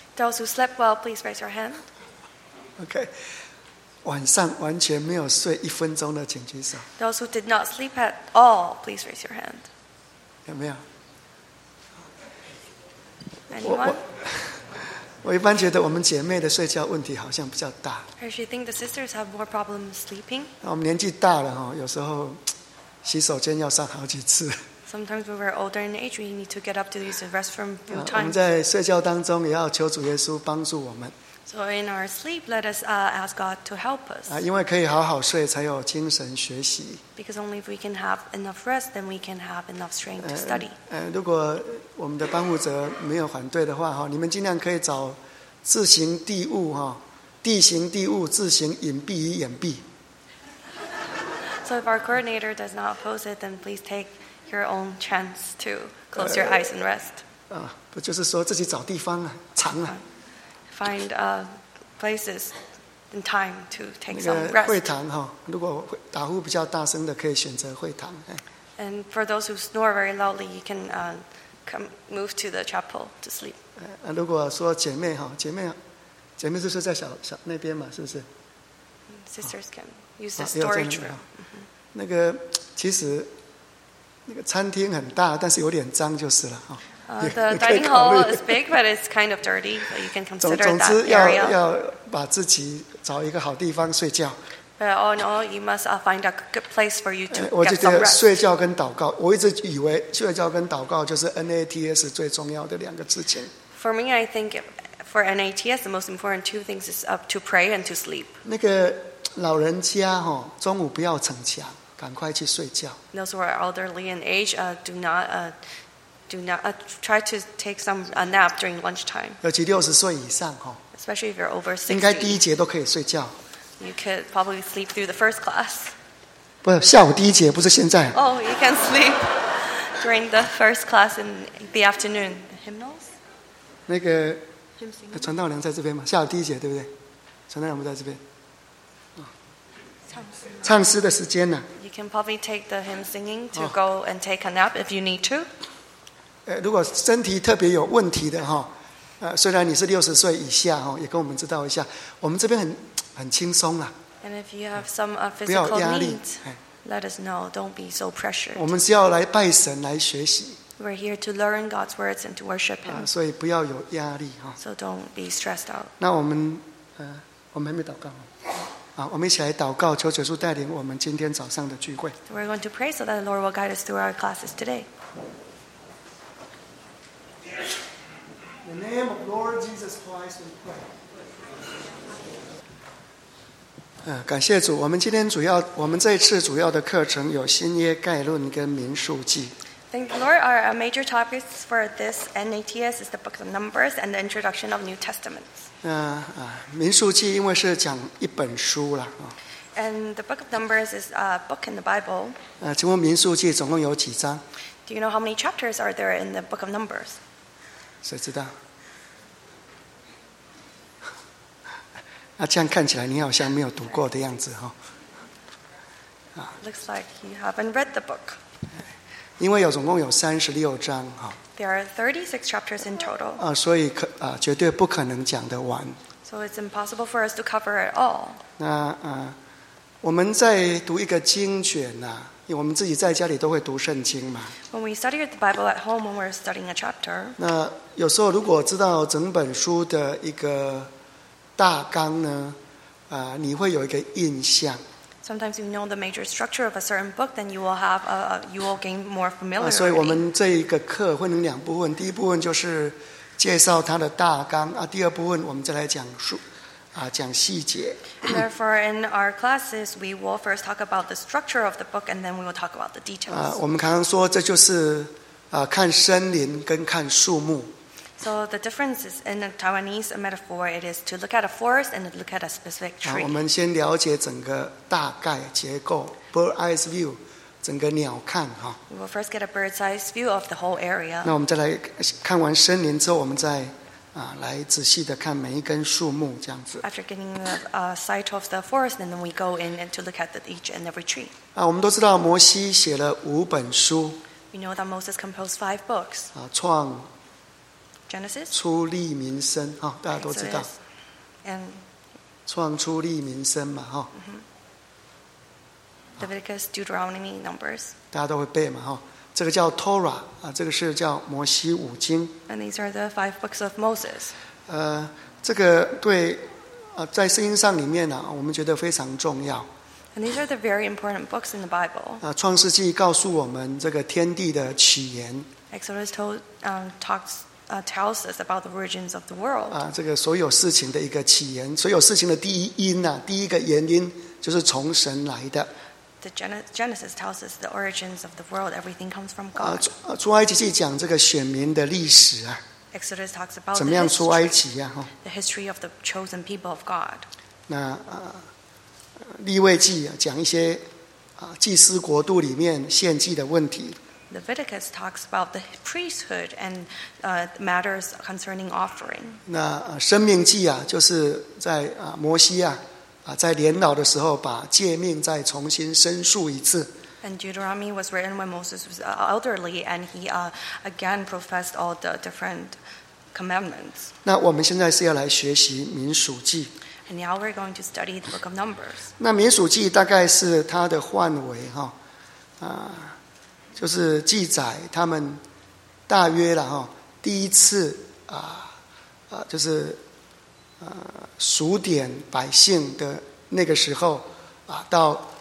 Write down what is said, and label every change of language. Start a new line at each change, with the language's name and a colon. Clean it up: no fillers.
English: Those who slept well, please raise your hand. Okay.
Chinese: 晚上完全没有睡一分钟的请举手。
English: Those who did not sleep at all, please raise your hand.
Chinese: 有没有？
English: Anyone?
Chinese: 我一般觉得我们姐妹的睡觉问题好像比较大。
English: I actually think the sisters have more problems sleeping.
Chinese: 我们年纪大了，有时候洗手间要上好几次。
English: Sometimes when we're older in age, we need to get up to use the restroom a few times.
Chinese: 我们在睡觉当中也要求主耶稣帮助我们。
English: So in our sleep, let us ask God to help us.
Chinese: 因为可以好好睡，才有精神学习。
English: Because only if we can have enough rest, then we can have enough strength to study.
Chinese: 如果我们的帮扶者没有反对的话，你们尽量可以找自行地物，地形地物，自行隐蔽与掩蔽。
English: So if our coordinator does not oppose it, then please take your own chance to close your eyes and rest.
Chinese: 不就是说自己找地方啊，藏啊。
English: Find places and time to take some rest.
Chinese: 会堂哈，如果打呼比较大声的，可以选择会堂。
English: And for those who snore very loudly, you can move to the chapel to sleep.
Chinese: 如果说姐妹哈，姐妹是睡在小那边嘛，是不是
English: ？Sisters can use the storage room.
Chinese: 那个其实那个餐厅很大，但是有点脏就是了哈。
English: The dining hall is big, but it's kind of dirty. But you can consider that area.
Chinese: 总之要把自己找一个好地方睡觉。
English: But all in all, you must find a good place for you to get some rest.
Chinese: 我就觉得睡觉跟祷告，我一直以为睡觉跟祷告就是 NATS 最重要的两个事情。
English: For me, I think for NATS, the most important two things is to pray and to sleep.
Chinese: 那个老人家哈，中午不要逞强，赶快去睡觉。
English: Those who are elderly in age, do not try to take some a nap during lunchtime.
Chinese: 尤其六十岁以上哈。
English: Especially if you're over 60.
Chinese: 应该第一节都可以睡觉。
English: You could probably sleep through the first class.
Chinese: 不是下午第一节，不是现在。
English: Oh, you can sleep during the first class in the afternoon. The hymnals.
Chinese: 那个，传道娘在这边吗？下午第一节对不对？传道娘不在这边。唱诗的时间呢？
English: You can probably take the hymn singing to go and take a nap if you need to.
Chinese: 如果身体特别有问题的哈，虽然你是六十岁以下哈，也跟我们知道一下，我们这边很轻松啦。
English: And if you have some physical needs, let us know. Don't be so pressured.
Chinese: 我们是要来拜神来学习。
English: We're here to learn God's words and to worship Him.
Chinese: 所以不要有压力哈。
English: So don't be stressed out.
Chinese: 那我们还没祷告。好，我们一起来祷告，求主耶稣带领我们今天早上的聚会。
English: We're going to pray so that the Lord will guide us through our classes today. In the name of Lord Jesus Christ, we pray.
Chinese: 感谢主，我们这一次主要的课程有新约概论跟民数记。
English: Thank the Lord. Our major topics for this NATS is the Book of Numbers and the Introduction of New Testament.
Chinese: 民数记因为是讲一本书了啊。
English: And the Book of Numbers is a book in the Bible.
Chinese: 请问民数记总共有几章
English: ？Do you know how many chapters are there in the Book of Numbers？
Chinese: 谁知道？那这样看起来你好像没有读过的样子哈。
English: Looks like you haven't read the book.
Chinese: 因为总共有三十六章哈。
English: There are 36 chapters in total.
Chinese: 所以绝对不可能讲得完。
English: So it's impossible for us to cover it all.
Chinese: 那我们在读一个经卷呐，因为我们自己在家里都会读圣经嘛。
English: When we study the Bible at home, when we're studying a chapter.
Chinese: 那有时候如果知道整本书的一个大纲呢，你会有一个印象。
English: Sometimes you know the major structure of a certain book, then you will have you will gain more familiarity.
Chinese: 所以我们这一个课会分两部分，第一部分就是介绍它的大纲啊，第二部分我们再来讲述讲细节。
English: Therefore, in our classes, we will first talk about the structure of the book, and then we will talk about the details.
Chinese: 我们刚刚说这就是看森林跟看树木。
English: So the difference is in a Taiwanese metaphor, it is to look at a forest and look at a specific tree.
Chinese: 我们先了解整个大概结构 ，
English: bird eyes view，
Chinese: 整个鸟瞰哈。
English: We will first get a bird's eyes view of the whole area.
Chinese: 那我们再来看完森林之后，我们再来仔细的看每一根树木这样子。
English: After getting a sight of the forest, and then we go in and to look at each and every tree.
Chinese: 我们都知道摩西写了五本书。
English: We know that Moses composed five books.
Chinese: 创
English: Genesis.
Chinese: 出立民生、哦、大家都知道。
English: Okay, so、and
Chinese: 创出立民生嘛，哈、哦。
English: Leviticus, Deuteronomy, Numbers.
Chinese: 大家都会背嘛，哈、哦。这个叫 Torah 啊，这个是叫摩西五经。
English: And these are the five books of Moses.
Chinese: 这个对。在圣经上里面、啊、我们觉得非常重要。
English: And these are the very important books in the Bible.
Chinese: 创世纪告诉我们这个天地的起源。
English: Exodus tells us about the origins of the world.
Chinese: 这个所有事情的一个起源，所有事情的第一因、啊、第一个原因就是从神来的。
English: The Genesis tells us the origins of the world. Everything comes from God.
Chinese: 出埃及记讲这个选民的历史啊。
English: Exodus talks about
Chinese: 怎么样出埃及啊？
English: The history of the chosen people of God.
Chinese: 那利未记讲一些祭司国度里面献祭的问题。
English: Leviticus talks about the priesthood and matters concerning offering.
Chinese: 那生命记啊，就是在摩西啊在年老的时候把诫命再重新申述一次。
English: And Deuteronomy was written when Moses was elderly, and he again professed all the different commandments.
Chinese: 那我们现在是要来学习民数记。
English: And now we're going to study the book of Numbers.
Chinese: 那民数记大概是它的范围哈，就是记载他们大约了哈，第一次就是数点百姓的那个时候到。